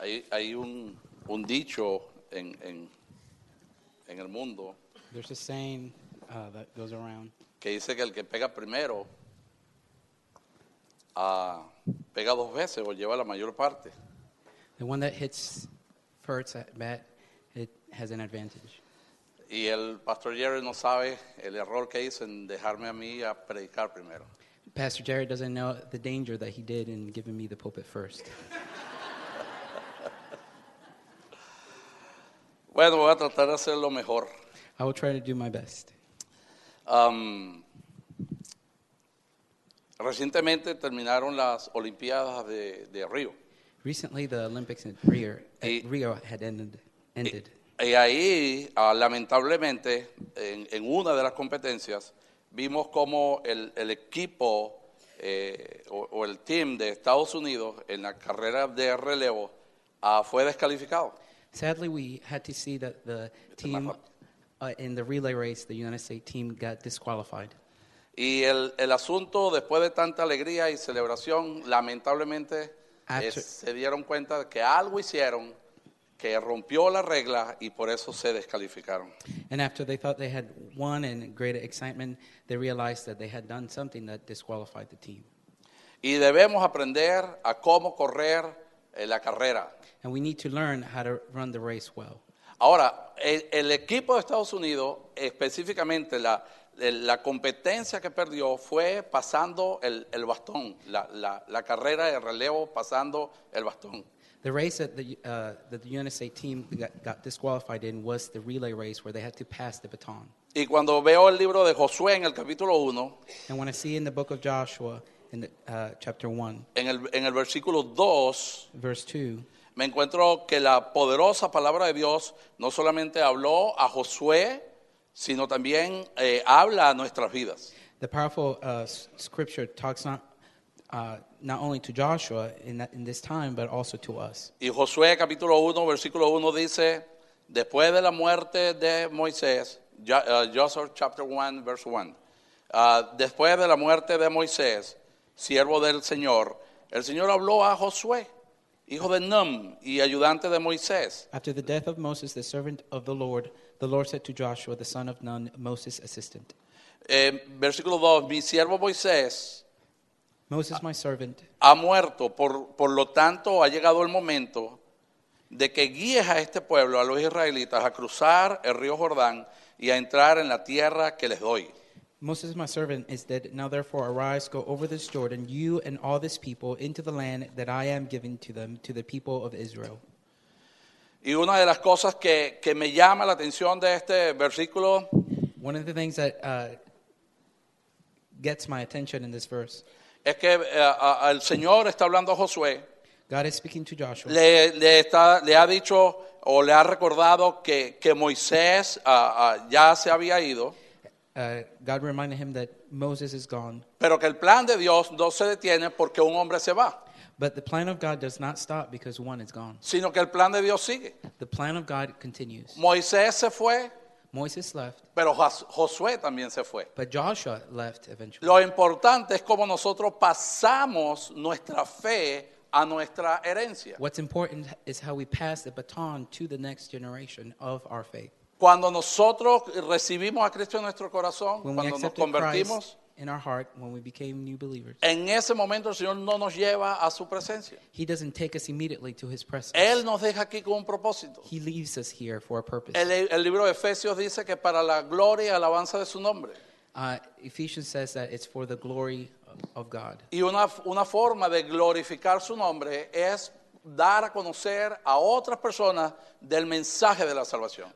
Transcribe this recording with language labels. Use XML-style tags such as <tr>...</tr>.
<es>Hay un dicho en el mundo.</es> <en>There's a saying that goes around.</en> <es>Que dice que el que pega primero pega dos veces o lleva la mayor parte.</es> <en>The one that hits first at bat, it has an advantage.</en> <es>Y el Pastor Jared no sabe el error que hizo en dejarme a mí a predicar primero.</es> <en>Pastor Jared doesn't know the danger that he did in giving me the pulpit first.</en> <es>Bueno, voy a tratar de hacer lo mejor.</es> <en>I will try to do my best.</en> <es>Recientemente terminaron las Olimpiadas de Río.</es> <en>Recently, the Olympics in Rio had ended.</en> <es>Y ahí, lamentablemente, en una de las competencias, vimos como el equipo o el team de Estados Unidos en la carrera de relevo fue descalificado.</es> <en>Sadly, we had to see that the team in the relay race, the United States team got disqualified.</en> <es>Y el asunto, después de tanta alegría y celebración, lamentablemente, se dieron cuenta de que algo hicieron que rompió la regla y por eso se descalificaron.</es> <en>And after they thought they had won in greater excitement, they realized that they had done something that disqualified the team.</en> <es>Y debemos aprender a cómo correr la carrera.</es> <en>And we need to learn how to run the race well.</en> <es>Ahora, el equipo de Estados Unidos, específicamente la competencia que perdió fue pasando el bastón, la carrera de relevo pasando el bastón.</es> <en>The race that the UNSA team got disqualified in was the relay race where they had to pass the baton.</en> <es>Y cuando veo el libro de Josué en el capítulo 1,</es> <en>and when I see in the book of Joshua in the, chapter 1,</en> <es>en el versículo 2,</es> <en>verse 2,</en> <es>me encuentro que la poderosa palabra de Dios no solamente habló a Josué, sino también habla a nuestras vidas.</es> <en>The powerful scripture talks not only to Joshua in this time, but also to us.</en> <es>Y Josué capítulo 1, versículo 1 dice, después de la muerte de Moisés,</es> <en>Joshua chapter 1, verse 1,</en> <es>después de la muerte de Moisés, siervo del Señor, el Señor habló a Josué, hijo de Nun y ayudante de Moisés.</es> <en>After the death of Moses, the servant of the Lord said to Joshua, the son of Nun, Moses' assistant.</en> <es>Versículo 2, mi siervo Moisés,</es> <en>Moses, my servant,</en> <es>ha muerto, por lo tanto ha llegado el momento de que guíes a este pueblo, a los israelitas, a cruzar el río Jordán y a entrar en la tierra que les doy.</es> <en>Moses, my servant, is dead. Now therefore arise, go over this Jordan, you and all this people, into the land that I am giving to them, to the people of Israel.</en> <es>Y una de las cosas que me llama la atención de este versículo,</es> <en>one of the things that gets my attention in this verse,</en> <es>es que el Señor está hablando a Josué.</es> <en>God is speaking to Joshua.</en> <es>Le ha dicho o le ha recordado que Moisés ya se había ido.</es> <en>God reminded him that Moses is gone.</en> <es>Pero que el plan de Dios no se detiene porque un hombre se va.</es> <en>But the plan of God does not stop because one is gone.</en> <es>Sino que el plan de Dios sigue.</es> <en>The plan of God continues.</en> <es>Moisés se fue.</es> <en>Moses left.</en> <es>Pero Josué también se fue.</es> <en>But Joshua left eventually.</en> <es>Lo importante es cómo nosotros pasamos nuestra fe a nuestra herencia.</es> <en>What's important is how we pass the baton to the next generation of our faith.</en> <es>Cuando nosotros recibimos a Cristo en nuestro corazón,</es> <en>when</en> <es>cuando</es> <en>we accepted</en> <es>nos convertimos,</es> <en>Christ in our heart, when we became new believers,</en> <es>en ese momento el Señor no nos lleva a su presencia.</es> <en>He doesn't take us immediately to his presence.</en> <es>Él nos deja aquí con un propósito.</es> <en>He leaves us here for a purpose.</en> <es>El libro de Efesios dice que para la gloria y alabanza de su nombre.</es> <en>Ephesians says that it's for the glory of God.</en> <es>Y una forma de glorificar su nombre es dar a conocer a otras personas del mensaje de la salvación.</es>